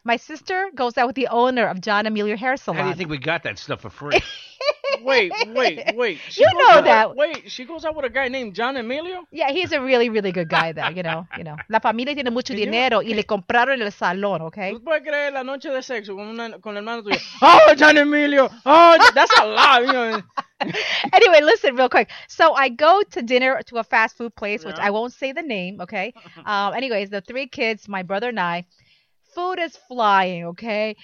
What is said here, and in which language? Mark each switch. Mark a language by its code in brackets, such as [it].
[en] My sister goes out with the owner of John Emilio Hair Salon. How do you think we got that stuff for free? Wait. She goes out with a guy named John Emilio? Yeah, he's a really, really good guy there, you know. [es] La familia tiene mucho dinero y le compraron el salón, okay? ¿Tú puedes creer la noche de sexo con el hermano tuyo? [en] Oh, John Emilio! Oh, that's a lot, you know. Anyway, listen real quick. So I go to dinner to a fast food place, which I won't say the name, okay? Anyways, the three kids, my brother and I, food is flying, okay?